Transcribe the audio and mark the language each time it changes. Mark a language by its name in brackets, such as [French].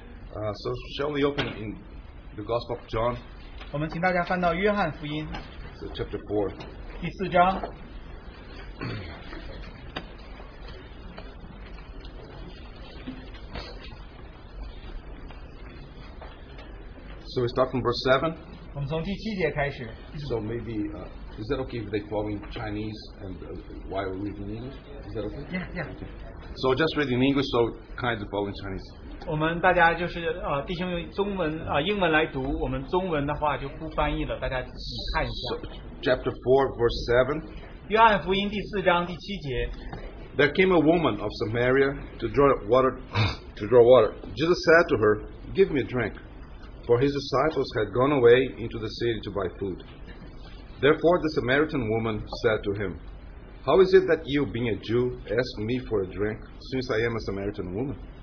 [English] So, shall we open in the Gospel of John? [Chinese] 我们请大家翻到约翰福音, [English] so chapter 4. [Chinese] 第四章。 [English] So we start from verse 7. [Chinese] 我们从第七节开始, [English] so maybe, is that okay if they follow in Chinese and while we read in English? Is that okay? Yeah. Okay. So just read in English, so kind of follow in Chinese. [Chinese] 我们大家就是, 弟兄用中文, 英文来读, 我们中文的话就不翻译了, [English] so, chapter 4, verse 7. [Chinese] 约翰福音第四章第七节, [English] there came a woman of Samaria to draw water. Jesus said to her, give me a drink. For his disciples had gone away into the city to buy food. Therefore the Samaritan woman said to him, how is it that you, being a Jew, ask me for a drink, since I am a Samaritan woman?